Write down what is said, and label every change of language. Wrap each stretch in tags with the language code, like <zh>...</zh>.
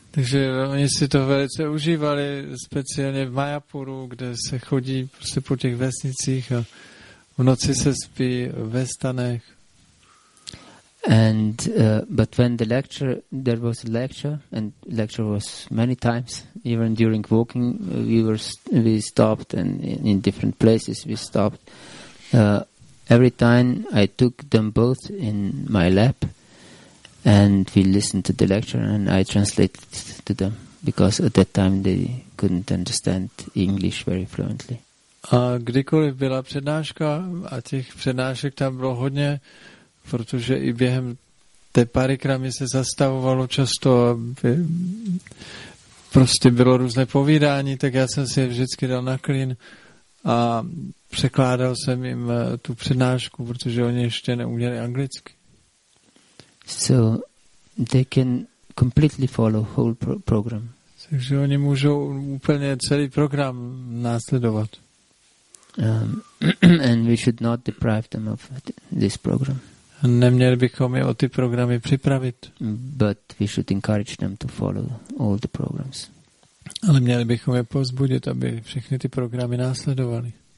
<cs>Takže oni si to velice užívali, speciálně v Mayapuru, kde se chodí prostě po těch vesnicích a v noci se spí ve stanech.</cs> <en>And but when the lecture, there was a lecture, and lecture was many times, even during walking, we stopped and in different places we stopped. Every time I took them both in my lap, and we listened to the lecture and I translated to them because at that time they couldn't understand English very fluently.</en> <cs>A kdykoliv byla přednáška, a těch přednášek tam bylo hodně, protože i během té parikramy se zastavovalo často a prostě bylo různé povídání, tak já jsem si je vždycky dal na klín a překládal jsem jim tu přednášku, protože oni ještě neuměli anglicky.</cs> <en>So they can completely follow whole program.</en> <cs>Takže oni můžou úplně celý program následovat.</cs> <en>And we should not deprive them of this program.</en> <cs>Neměli bychom je o ty programy připravit.</cs> <en>But we should encourage them to follow all the programs.</en> <cs>Ale měli bychom je povzbudit, aby všechny ty programy následovali.</cs>